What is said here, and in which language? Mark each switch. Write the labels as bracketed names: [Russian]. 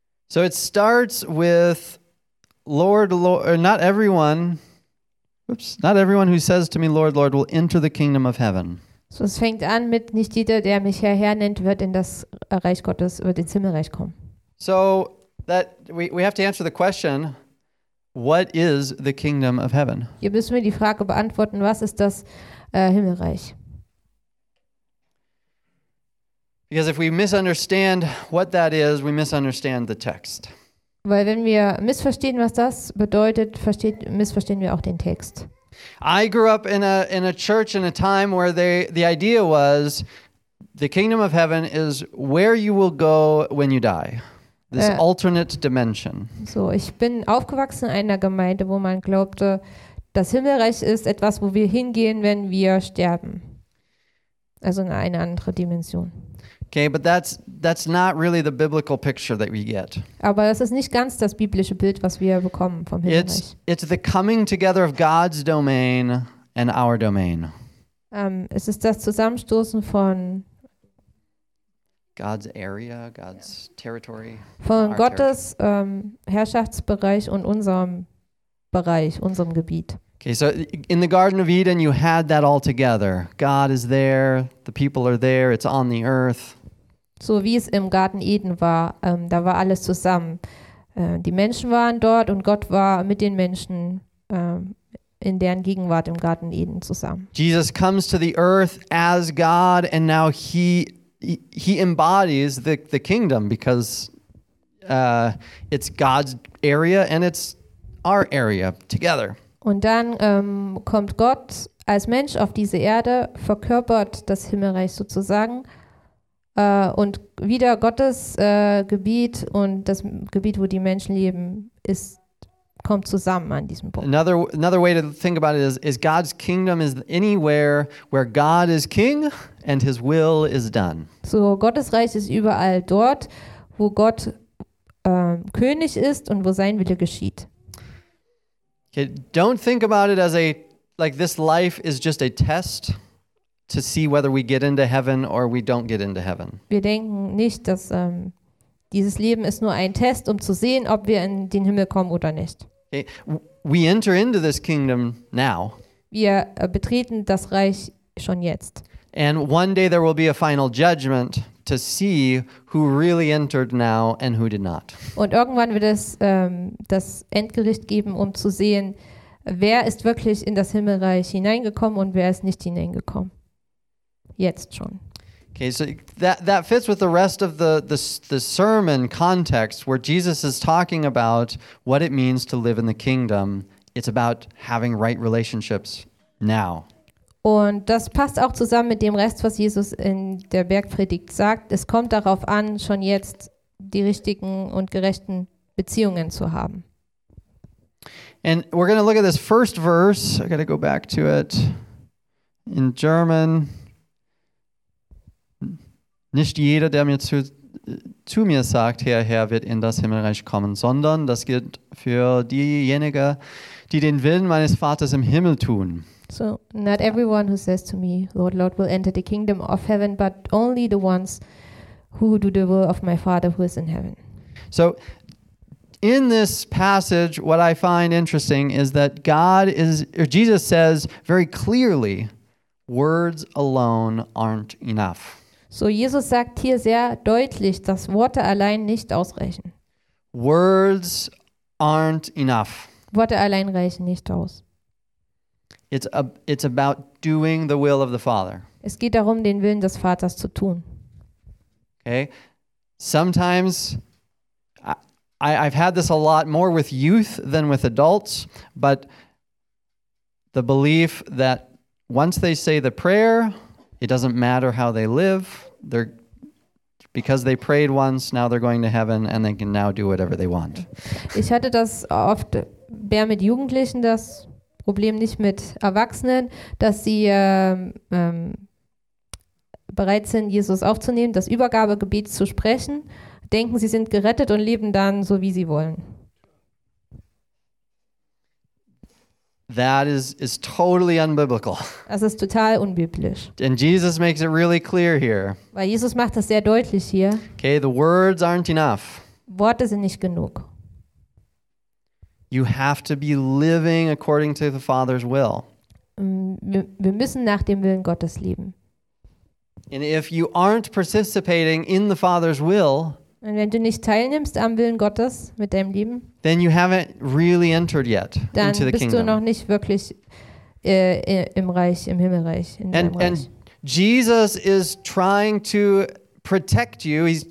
[English] So it starts with Lord, Lord, not everyone. Oops, not everyone who says to me, Lord, Lord, will enter the kingdom of heaven. [German] So es fängt an mit nicht jeder, der mich Herr, Herr nennt, wird in das Reich Gottes, wird ins Himmelreich kommen. [English] So that we have to answer the question, what is the kingdom of heaven? [German] Hier müssen wir die Frage beantworten, was ist das Himmelreich? [English] Because if we misunderstand what that is, we misunderstand the text. [German] Weil wenn wir missverstehen, was das bedeutet, missverstehen wir auch den Text. [English] I grew up in a church in a time where the idea was the kingdom of heaven is where you will go when you die. This alternate dimension. [German] So, ich bin aufgewachsen in einer Gemeinde, wo man glaubte, das Himmelreich ist etwas, wo wir hingehen, wenn wir sterben. Also in eine andere Dimension. [English] Okay, but that's not really the biblical picture that we get. [German] Aber das ist nicht ganz das biblische Bild, was wir bekommen vom Himmelreich. [English] It's the coming together of God's domain and our domain. [German] Es ist das Zusammenstoßen von [English] God's area, God's territory, [German] von Gottes Herrschaftsbereich und unserem Bereich, unserem Gebiet. [English] Okay, so in the Garden of Eden you had that all together. God is there, the people are there, it's on the earth. [German] So wie es im Garten Eden war, da war alles zusammen. Die Menschen waren dort und Gott war mit den Menschen in deren Gegenwart im Garten Eden zusammen. [English] Jesus comes to the earth as God and now he embodies the kingdom because it's God's area and it's our area together. [German] Und dann kommt Gott als Mensch auf diese Erde, verkörpert das Himmelreich sozusagen und wieder Gottes Gebiet und das Gebiet, wo die Menschen leben, ist kommt zusammen an diesem Punkt. [English] Another way to think about it is God's kingdom is anywhere where God is king and his will is done. [German] So Gottes Reich ist überall dort, wo Gott König ist und wo sein Wille geschieht. [English] Okay, don't think about it as a like this life is just a test to see whether we get into heaven or we don't get into heaven. [German] Wir denken nicht, dass dieses Leben ist nur ein Test, um zu sehen, ob wir in den Himmel kommen oder nicht. [English] Okay. We enter into this kingdom now. [German] Wir betreten das Reich schon jetzt. [English] And one day there will be a final judgment to see who really entered now and who did not. [German] Und irgendwann wird es das Endgericht geben, um zu sehen, wer ist wirklich in das Himmelreich hineingekommen und wer ist nicht hineingekommen. Jetzt schon. [English] Okay, so that fits with the rest of the sermon context where Jesus is talking about what it means to live in the kingdom. It's about having right relationships now. [German] Und das passt auch zusammen mit dem Rest, was Jesus in der Bergpredigt sagt. Es kommt darauf an, schon jetzt die richtigen und gerechten Beziehungen zu haben. [English] And we're going to look at this first verse. I got to go back to it in German. [German] Nicht jeder, der mir zu mir sagt, Herr, Herr, wird in das Himmelreich kommen, sondern das gilt für diejenigen, die den Willen meines Vaters im Himmel tun. [English] So, not everyone who says to me, Lord, Lord, will enter the kingdom of heaven, but only the ones who do the will of my Father who is in heaven. So, in this passage, what I find interesting is that God is, or Jesus says very clearly, words alone aren't enough. [German] So, Jesus sagt hier sehr deutlich, dass Worte allein nicht ausreichen. [English] Words aren't enough. [German] Worte allein reichen nicht aus. [English] It's about doing the will of the Father. [German] Es geht darum, den Willen des Vaters zu tun. [English] Okay. Sometimes I've had this a lot more with youth than with adults, but the belief that once they say the prayer, it doesn't matter how they live. They're because they prayed once, now they're going to heaven and they can now do whatever they want. [German] Ich hatte das oft mehr mit Jugendlichen, das Problem nicht mit Erwachsenen, dass sie bereit sind, Jesus aufzunehmen, das Übergabegebet zu sprechen, denken, sie sind gerettet und leben dann so, wie sie wollen. [English] That is totally unbiblical. [German] Das ist total unbiblisch. [English] And Jesus makes it really clear here. [German] Weil Jesus macht das sehr deutlich hier. [English] Okay, the words aren't enough. [German] Worte sind nicht genug. [English] You have to be living according to the Father's will. [German] Wir müssen nach dem Willen Gottes leben. [English] And if you aren't participating in the Father's will, [German] und wenn du nicht teilnimmst am Willen Gottes mit deinem Leben, [English] then you haven't really entered yet into the kingdom. [German] Dann bist du noch nicht wirklich im Reich, im Himmelreich, in deinem Reich. [English] And Jesus is trying to protect you.